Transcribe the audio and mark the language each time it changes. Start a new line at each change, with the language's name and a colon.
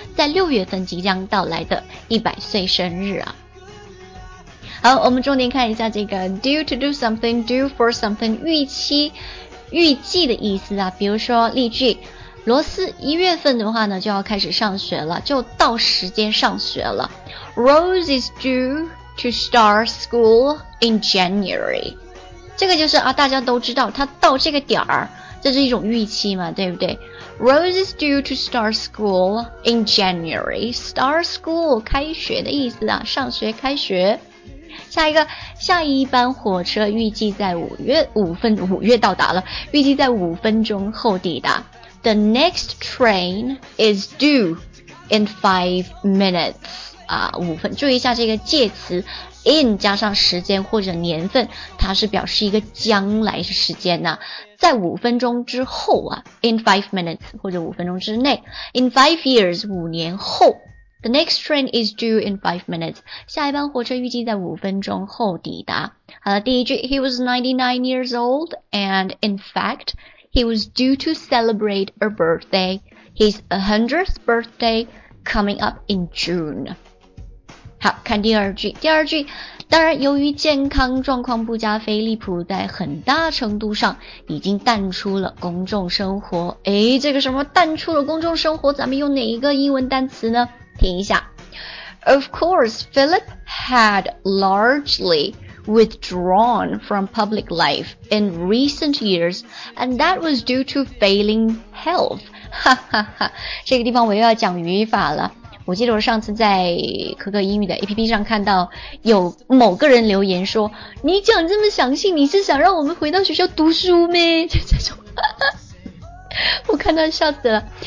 Chinese: 在六月份即将到来的100岁生日啊。好，我们重点看一下这个
English: due to do something, due for something，
Chinese: 预期预计的意思啊。比如说例句，罗斯一月份的话呢就要开始上学了，就到时间上学了。
English: Rose is due to start school in January。
Chinese: 这个就是啊，大家都知道他到这个点儿，这是一种预期嘛，对不对？
English: Rose is due to start school in January. Start school
Chinese: 开学的意思啊，上学开学。下一个，下一班火车预计在五月到达了，预计在五分钟后抵达。
English: The next train is due in 5 minutes.
Chinese: 啊，五分，注意一下这个介词in 加上时间或者年份，它是表示一个将来时间呢、啊，在五分钟之后啊 ，
English: in 5 minutes
Chinese: 或者五分钟之内 ，
English: in 5 years
Chinese: 五年后 ，
English: the next train is due in 5 minutes，
Chinese: 下一班火车预计在五分钟后抵达。好了，第一句
English: ，He was 99 years old and in fact he was due to celebrate a birthday， his 100th birthday coming up in June。
Chinese: 好，看第二句。第二句，当然由于健康状况不佳，菲利普在很大程度上已经淡出了公众生活。诶，这个什么淡出了公众生活，咱们用哪一个英文单词呢？听一下。
English: Of course, Philip had largely withdrawn from public life in recent years, and that was due to failing health.
Chinese: 哈哈哈，这个地方我又要讲语法了。我记得我上次在可可英语的 APP 上看到有某个人留言说，你讲这么详细，你是想让我们回到学校读书吗？就这种我看到笑死了。